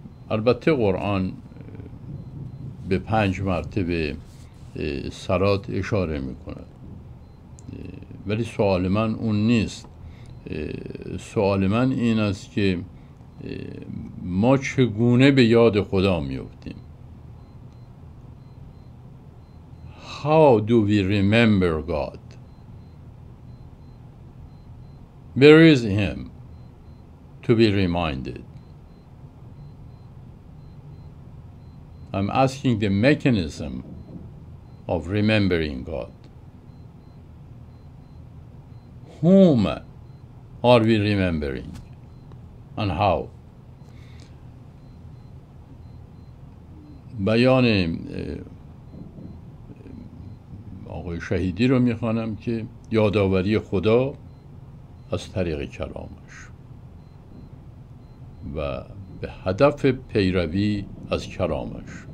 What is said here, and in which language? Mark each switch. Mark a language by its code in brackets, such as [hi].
[fa] البته قرآن به 5 مرتبه صلات اشاره میکند، ولی سوال من اون نیست. سوال من این است که ما چگونه به یاد خدا میفتیم؟ [en] How do we remember God? Where is Him to be reminded? I'm asking the mechanism of remembering God. Whom are we remembering and how? [fa] بیان آقای شهیدی رو میخوانم که یادآوری خدا از طریق کلامش و به هدف پیروی از کلامش.